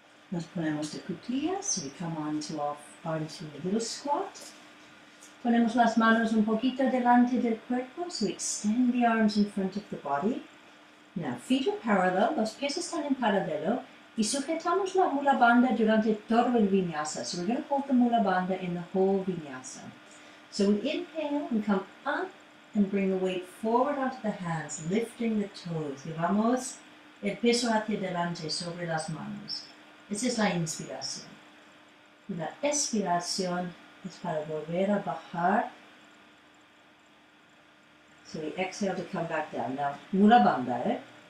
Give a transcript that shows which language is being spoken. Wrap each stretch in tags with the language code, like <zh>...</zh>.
<es>Nos ponemos de cuclillas,</es> <en>we come on to onto a little squat.</en> <es>Ponemos las manos un poquito delante del cuerpo,</es> <en>so we extend the arms in front of the body. Now, feet are parallel,</en> <es>los pies están en paralelo, y sujetamos la mula banda durante todo el vinyasa.</es> <en>So we're going to hold the mula banda in the whole vinyasa. So we inhale and come up and bring the weight forward onto the hands, lifting the toes.</en> <es>Llevamos el peso hacia delante sobre las manos. Esa es la inspiración. Y la expiración es para volver a bajar.</es> <en>So we exhale to come back down. Now, mula banda, eh?</en>